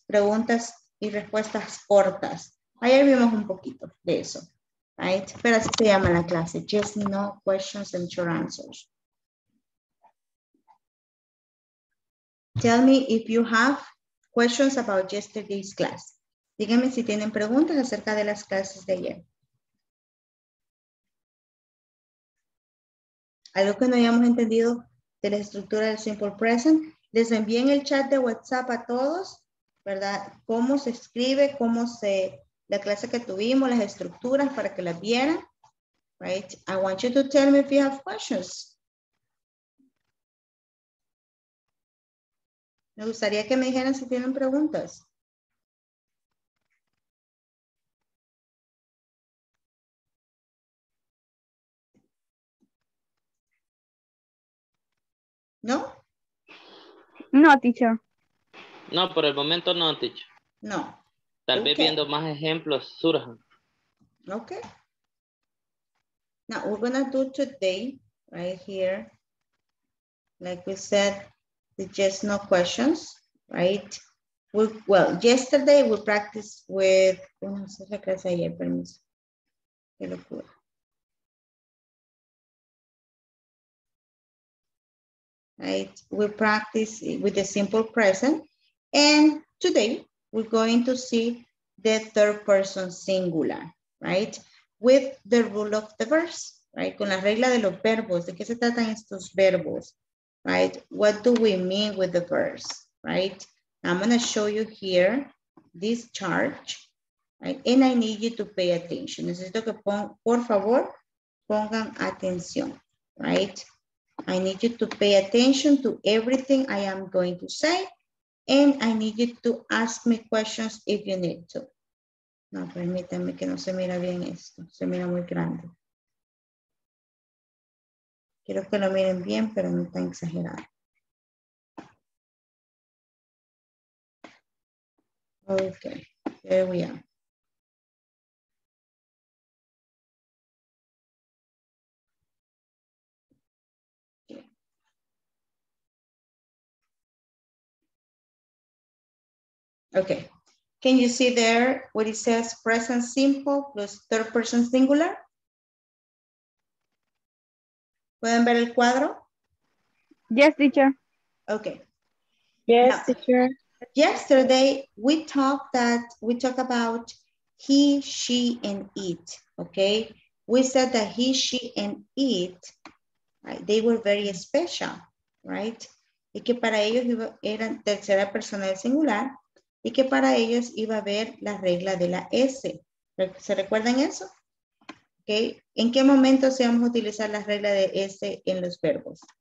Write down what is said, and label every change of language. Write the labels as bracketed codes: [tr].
[es] Preguntas y respuestas cortas. Ayer vimos un poquito de eso. [en] Right, [es] pero así se llama la clase, [en] just no questions and short answers. Tell me if you have questions about yesterday's class. [es] Díganme si tienen preguntas acerca de las clases de ayer. Algo que no hayamos entendido de la estructura del simple present, les envié en el chat de WhatsApp a todos, ¿verdad? Cómo se escribe, cómo se... La clase que tuvimos, las estructuras para que las vieran. [en] Right? I want you to tell me if you have questions. [es] Me gustaría que me dijeran si tienen preguntas. ¿No? No, teacher. No, por el momento no, teacher. No. Tal vez viendo más ejemplos surjan. [en] Okay. Now we're gonna do today right here, like we said, the just no questions, right? Well, yesterday we practiced with. [es] No sé la clase ayer, permiso. Qué locura. [en] Right, we practice with the simple present, and today we're going to see the third person singular, right? With the rule of the verbs, right? [es] Con la regla de los verbos, ¿de qué se tratan estos verbos? [en] Right? What do we mean with the verbs, right? I'm gonna show you here this chart, right? And I need you to pay attention. [es] Necesito que por favor, pongan atención, [en] right? I need you to pay attention to everything I am going to say. And I need you to ask me questions if you need to. [es] No, permítanme que no se mira bien esto. Se mira muy grande. Quiero que lo miren bien, pero no tan exagerado. [en] Okay, there we are. Okay, can you see there what it says present simple plus third person singular? [es] ¿Pueden ver el cuadro? [en] Yes, teacher. Okay. Yes, now, teacher. Yesterday, we talked about he, she, and it, okay? We said that he, she, and it, right, they were very special, right? [es] Y que para ellos iba, eran tercera persona del singular, y que para ellos iba a haber la regla de la S. ¿Se recuerdan eso? Okay. ¿En qué momento se vamos a utilizar la regla de S en los verbos?